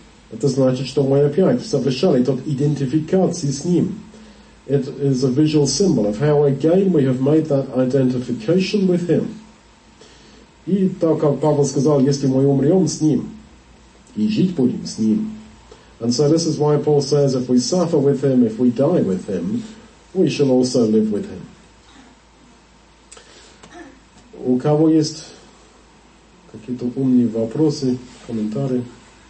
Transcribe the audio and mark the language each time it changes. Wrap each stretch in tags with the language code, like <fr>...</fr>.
<ru>Это значит, что мы опять совершали тот идентификации с ним.</ru> <en>It is a visual symbol of how again we have made that identification with him.</en> <ru>И так как Павел сказал, если мы умрем с ним, и жить будем с ним.</ru> <en>And so this is why Paul says, if we suffer with him, if we die with him, we shall also live with him.</en> <ru>У кого есть какие-то умные вопросы, комментарии?</ru>